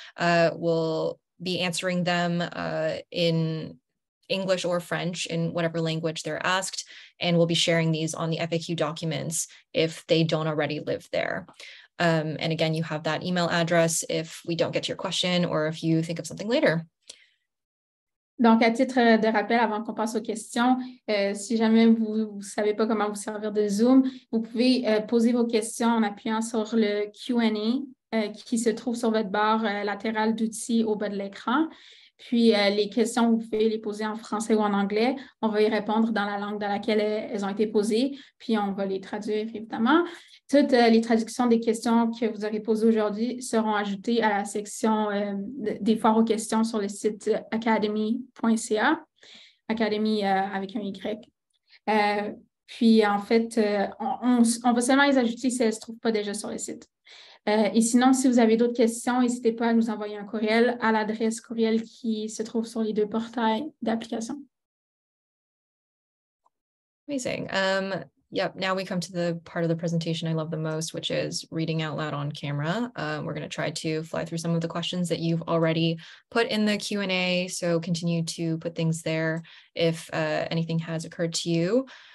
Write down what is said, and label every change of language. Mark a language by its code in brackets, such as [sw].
[en] We'll be answering them in English or French in whatever language they're asked, and we'll be sharing these on the FAQ documents if they don't already live there. And again, you have that email address if we don't get to your question or if you think of something later. [fr] Donc, à titre de rappel, avant qu'on passe aux questions, si jamais vous ne savez pas comment vous servir de Zoom, vous pouvez poser vos questions en appuyant sur le Q&A qui se trouve sur votre barre latérale d'outils au bas de l'écran. Puis, les questions, vous pouvez les poser en français ou en anglais. On va y répondre dans la langue dans laquelle elles ont été posées, puis on va les traduire, évidemment. Toutes les traductions des questions que vous aurez posées aujourd'hui seront ajoutées à la section des foires aux questions sur le site academy.ca, academy avec un Y. Puis, en fait, on va seulement les ajouter si elles ne se trouvent pas déjà sur le site. Et sinon, si vous avez d'autres questions, n'hésitez pas à nous envoyer un courriel à l'adresse courriel qui se trouve sur les deux portails d'application. [en] Amazing. Yep, now we come to the part of the presentation I love the most, which is reading out loud on camera. We're going to try to fly through some of the questions that you've already put in the Q&A, so continue to put things there if anything has occurred to you.